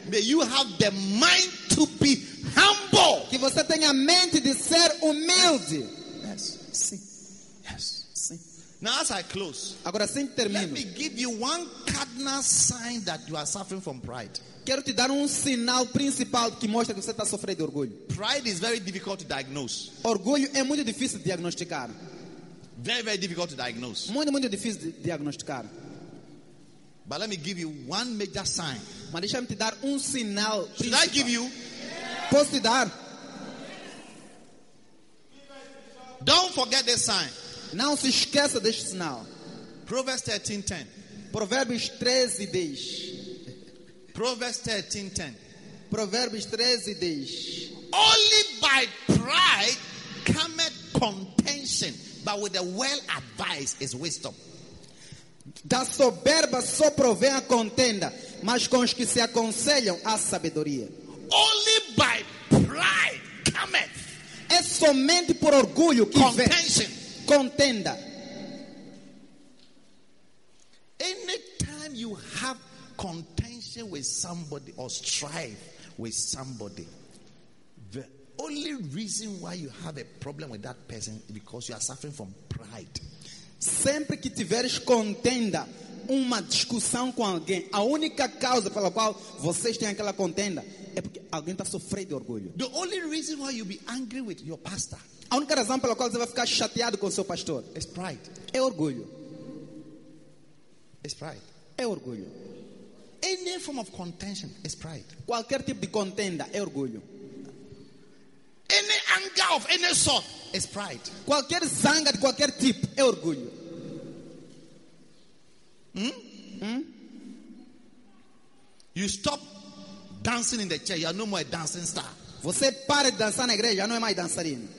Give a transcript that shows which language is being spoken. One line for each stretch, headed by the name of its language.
English: May you have the mind to be humble.
Portuguese: Que você tenha a mente de ser humilde.
English: Yes.
Portuguese: Sim.
English: Yes.
Portuguese: Sim.
English: Now as I close.
Portuguese: Agora assim termino.
English: Let me give you one cardinal sign that you are suffering from pride.
Portuguese: Quero te dar sinal principal que mostra que você está sofrendo de orgulho.
English: Pride is very difficult to diagnose.
Portuguese: Orgulho é muito difícil de diagnosticar.
English: Very, very difficult to diagnose.
Portuguese: Muito difícil de diagnosticar.
English: But let me give you one major sign.
Portuguese: Mas deixa-me te dar sinal principal.
English: Should I give you?
Portuguese: Posso te dar?
English: Don't forget this sign.
Portuguese: Não se esqueça deste sinal.
English: Proverbs 13:10.
Portuguese: Provérbios 13:10.
English: Proverbs 13:10. Only by pride cometh contention, but with the well advice is wisdom.
Portuguese: Da soberba só provém a contenda, mas com os que se aconselham há sabedoria.
English: Only by pride cometh.
Portuguese: É somente por orgulho que
English: contention.
Portuguese: Contenda.
English: Anytime you have contention with somebody or strife with somebody, the only reason why you have a problem with that person is because you are suffering from pride.
Portuguese: Sempre que tiveres contenda, uma discussão com alguém, a única causa pela qual vocês têm aquela contenda é porque alguém está sofrendo de orgulho.
English: The only reason why you'll be angry with your pastor,
Portuguese: a única razão pela qual você vai ficar chateado com seu pastor,
English: is pride.
Portuguese: É orgulho.
English: It's pride.
Portuguese: É orgulho.
English: Any form of contention is pride.
Portuguese: Qualquer tipo de contenda é orgulho.
English: Any anger of any sort is pride.
Portuguese: Qualquer zanga de qualquer tipo é orgulho.
English: You stop dancing in the church, you are no more a dancing star.
Portuguese: Você para de dançar na igreja, não é mais dançarino.